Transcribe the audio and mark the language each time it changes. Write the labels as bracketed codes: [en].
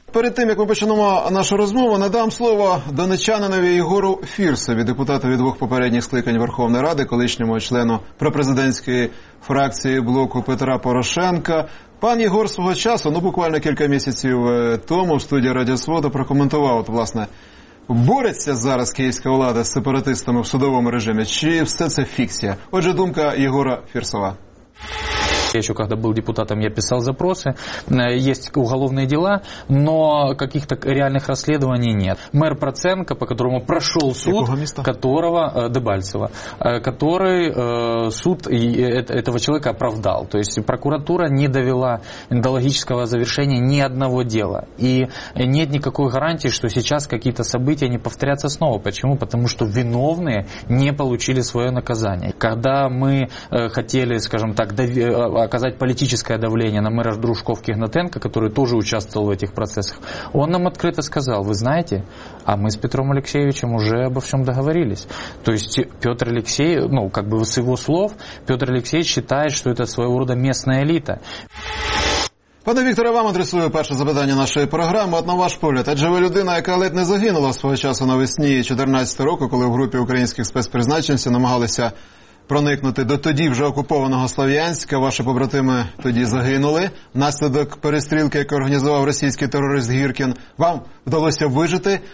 [uk] Перед тим, як ми почнемо нашу розмову, надам слово донеччанинові Єгору Фірсові, депутату від двох попередніх скликань Верховної Ради, колишньому члену пропрезидентської фракції блоку Петра Порошенка. Пан Єгор свого часу, ну буквально кілька місяців тому, в студії Радіо Свобода прокоментував, от, власне, бореться зараз київська влада з сепаратистами в судовому режимі, чи все це фікція? Отже, думка Єгора Фірсова. [ru] Я еще когда был депутатом, я писал запросы. Есть уголовные дела, но каких-то реальных расследований нет. Мэр Проценко, по которому прошел суд, которого Дебальцева, который суд этого человека оправдал. То есть прокуратура не довела до логического завершения ни одного дела. И нет никакой гарантии, что сейчас какие-то события не повторятся снова. Почему? Потому что виновные не получили свое наказание. Когда мы хотели, скажем так, оказать политическое давление на мэра Дружков Кигнатенко, который тоже участвовал в этих процессах, он нам открыто сказал: вы знаете, а мы с Петром Алексеевичем уже обо всем договорились. То есть Петр Алексеевич, ну, как бы с его слов, Петр Алексеевич считает, что это своего рода местная элита. [uk] Пане Вікторе, вам адресую перше запитання нашої програми. От на ваш погляд, адже ви людина, яка ледь не загинула свого часу навесні 14-го року, коли в групі українських спецпризначенців намагалися проникнути до тоді вже окупованого Слов'янська. Ваші побратими тоді загинули. Наслідок перестрілки, яку організував російський терорист Гіркін, вам вдалося вижити.